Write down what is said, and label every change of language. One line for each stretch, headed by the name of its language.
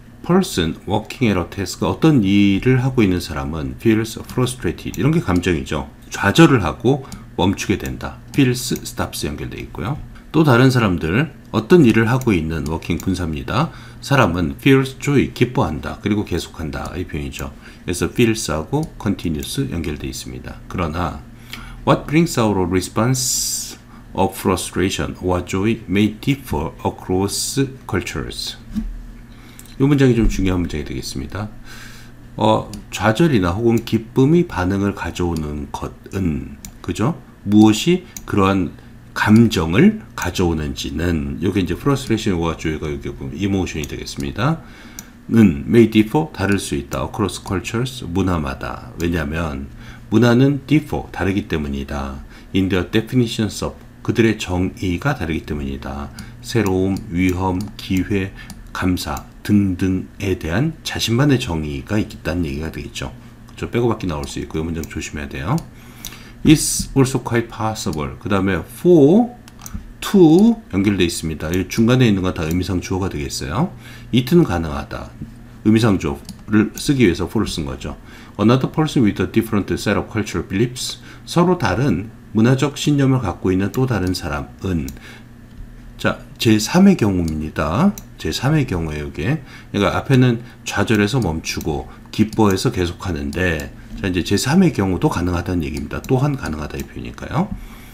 English: person working at a task,
Korean: 어떤 일을 하고 있는 사람은
English: feels frustrated,
Korean: 이런 게 감정이죠. 좌절을 하고 멈추게 된다. feels, stops 연결되어 있고요. 또 다른 사람들, 어떤 일을 하고 있는 working 분사입니다. 사람은
English: feels joy,
Korean: 기뻐한다. 그리고 계속한다의 표현이죠. 그래서 feels하고 continues 연결되어 있습니다. 그러나
English: what brings our response of frustration or joy may differ across cultures.
Korean: 이 문장이 좀 중요한 문장이 되겠습니다. 좌절이나 혹은 기쁨이 반응을 가져오는 것은, 그죠? 무엇이 그러한 감정을 가져오는지는, 이게 이제 frustration or joy가 여기 보면 emotion이 되겠습니다. 는
English: may differ,
Korean: 다를 수 있다.
English: across cultures,
Korean: 문화마다. 왜냐하면 문화는 differ, 다르기 때문이다.
English: in their definitions of,
Korean: 그들의 정의가 다르기 때문이다. 새로움, 위험, 기회, 감사 등등에 대한 자신만의 정의가 있다는 얘기가 되겠죠. 저 빼고받기 나올 수 있고요. 문장 조심해야 돼요.
English: It's also quite possible.
Korean: 그 다음에 for, to 연결되어 있습니다. 이 중간에 있는 건 다 의미상 주어가 되겠어요. It는 가능하다. 의미상 주어를 쓰기 위해서 for를 쓴 거죠.
English: Another person with a different set of cultural beliefs.
Korean: 서로 다른 문화적 신념을 갖고 있는 또 다른 사람은, 자, 제3의 경우입니다. 제3의 경우에요, 이게. 그러니까 앞에는 좌절해서 멈추고 기뻐해서 계속하는데, 자, 이제 제3의 경우도 가능하다는 얘기입니다. 또한 가능하다 이 표현이니까요.